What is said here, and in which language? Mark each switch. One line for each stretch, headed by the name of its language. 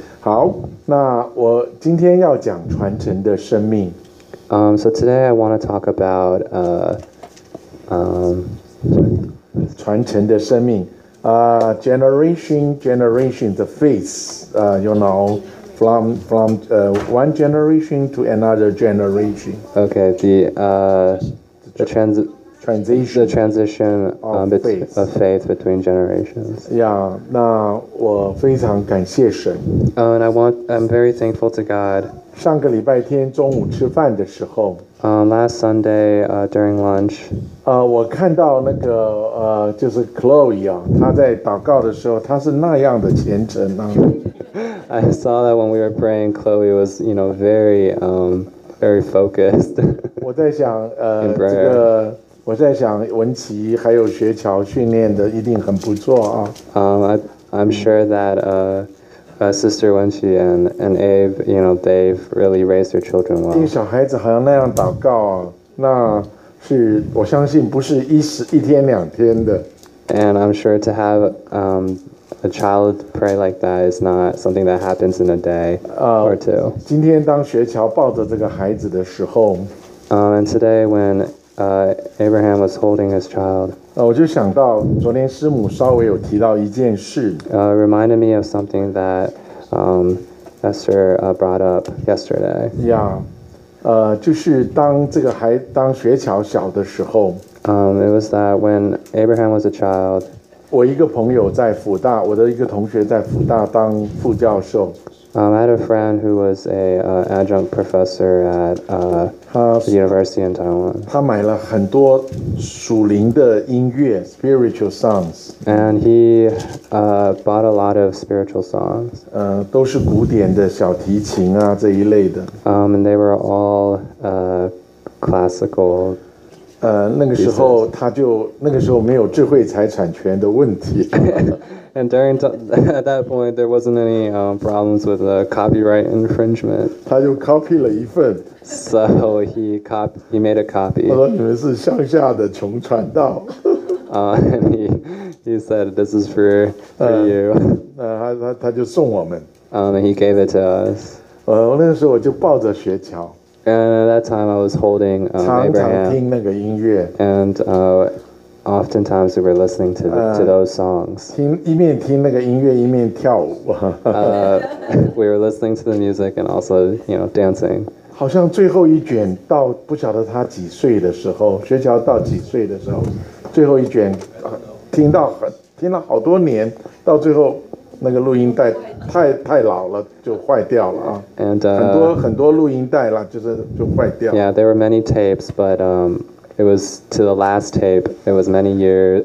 Chinese: 好，那我今天要讲传承的生命。
English: So today I want to talk about
Chinese: 传承的生命。
English: Generation, the faith, you know, from one generation to another generation. Okay, the transition of faith between generations.
Chinese: Yeah, 那我非常感谢神。
English: And I'm very thankful to God.
Chinese: 上个礼拜天中午吃饭的时候。
English: Last Sunday, during lunch.
Chinese: 我看到那个就是 Chloe 啊，她在祷告的时候，她是那样的虔诚啊。
English: I saw that when we were praying, Chloe was, you know, very focused.
Chinese: 我在想，这个。我在想文琪还有学桥训练的一定很不错啊。
English: I'm sure that Sister Wenqi and Abe, you know, they've really raised their children well.
Chinese: 因为小孩子好像那样祷告啊，那是我相信不是一天两天的。
English: And I'm sure to have a child pray like that is not something that happens in a day or two.
Chinese: 今天当学桥抱着这个孩子的时候
English: and today whenAbraham was holding his child.
Chinese: 我就想到昨天师母稍微有提到一件事。
English: Reminded me of something that Esther brought up yesterday. Yeah.
Chinese: 就是当这个孩当学桥小的时候。
English: It was that when Abraham was a child.
Chinese: 我一个朋友在辅大，我的一个同学在辅大当副教授。
English: I had a friend who was a adjunct professor at the university in Taiwan.
Chinese: 他买了很多属灵的音乐
English: spiritual songs. And he bought a lot of spiritual songs.
Chinese: 都是古典的小提琴啊这一类的。
English: And they were all classical.
Chinese: 那个时候没有智慧财产权的问题。
English: And during at that point, there wasn't any problems with the copyright infringement.
Chinese: 他就 copy 了一份。
English: So he made a copy.
Chinese: 我说你们是乡下的穷传道。
English: and he said this is for you.
Chinese: 他就送我们。
English: And he gave it to us.
Chinese: 我那个时候我就抱着雪橇。
English: And at that time, I was holding Abraham.
Chinese: 常常听那个音乐。
English: And oftentimes we were listening to those songs.
Chinese: 一面听那个音乐，一面跳舞。
English: We were listening to the music and also, you know, dancing.
Chinese: 好像最后一卷到不晓得他几岁的时候，学桥到几岁的时候，最后一卷听了好多年，到最后那个录音带太老了，就坏掉了啊。
English: And
Chinese: 很多录音带了，就坏掉。
English: Yeah, there were many tapes, but It was to the last tape. It was many years.